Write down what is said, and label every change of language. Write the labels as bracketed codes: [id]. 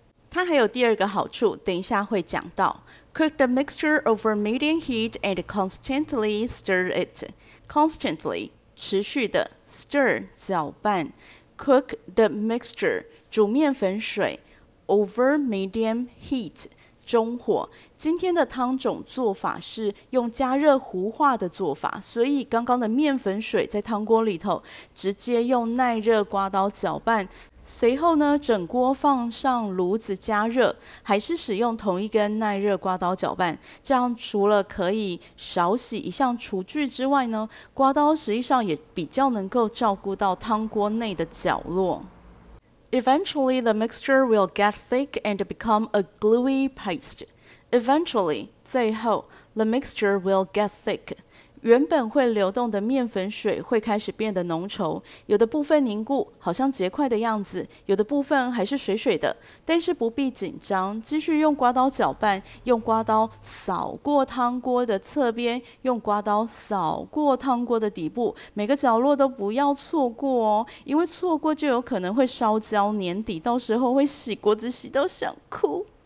[zh] 它还有第二个好处，等一下会讲到。 [en] Cook the mixture over medium heat and constantly stir it. Constantly, [zh] 持续的 [en] stir, [zh] 搅拌 [en] Cook the mixture, [zh] 煮面粉水 [en] over medium heat, [zh] 中火。今天的汤种做法是用加热糊化的做法，所以刚刚的面粉水在汤锅里头直接用耐热刮刀搅拌，随后呢，整锅放上炉子加热，还是使用同一根耐热刮刀搅拌。这样除了可以少洗一项厨具之外呢，刮刀实际上也比较能够照顾到汤锅内的角落。 [en] Eventually, the mixture will get thick and become a gluey paste. Eventually, [zh] 最后 [en] the mixture will get thick. [zh] 原本会流动的面粉水会开始变得浓稠，有的部分凝固好像结块的样子，有的部分还是水水的，但是不必紧张，继续用刮刀搅拌，用刮刀扫过汤锅的侧边，用刮刀扫过汤锅的底部，每个角落都不要错过哦，因为错过就有可能会烧焦粘底，到时候会洗锅子洗到想哭。